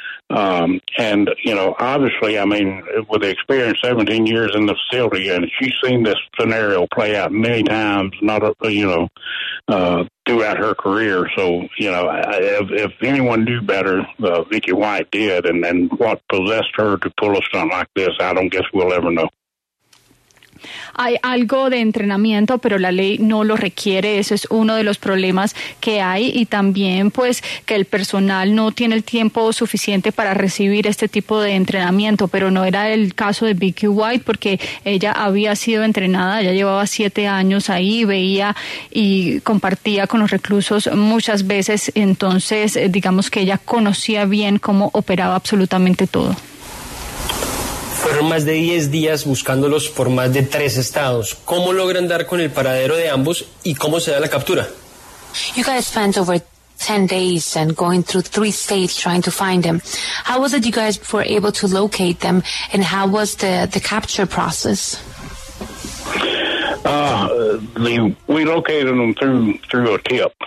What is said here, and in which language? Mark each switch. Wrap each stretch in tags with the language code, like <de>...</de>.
<en>And, you know, obviously, I mean, with the experience 17 years in the facility, and she's seen this scenario play out many times, throughout her career. So, you know, if anyone knew better, Vicky White did, and what possessed her to pull a stunt like this, I don't guess we'll ever know.</en> <es>Hay algo de entrenamiento, pero la ley no lo requiere. Ese es uno de los problemas que hay, y también pues que el personal no tiene el tiempo suficiente para recibir este tipo de entrenamiento. Pero no era el caso de Vicky White, porque ella había sido entrenada, ya llevaba 7 años ahí, veía y compartía con los reclusos muchas veces, entonces digamos que ella conocía bien cómo operaba absolutamente todo. Fueron más de 10 días buscándolos por más de 3 estados. ¿Cómo logran dar con el paradero de ambos y cómo se da la captura?</es> <en>You guys spent over 10 days and going through 3 states trying to find them. How was it you guys were able to locate them, and how was the capture process? We located them through a tip.</en>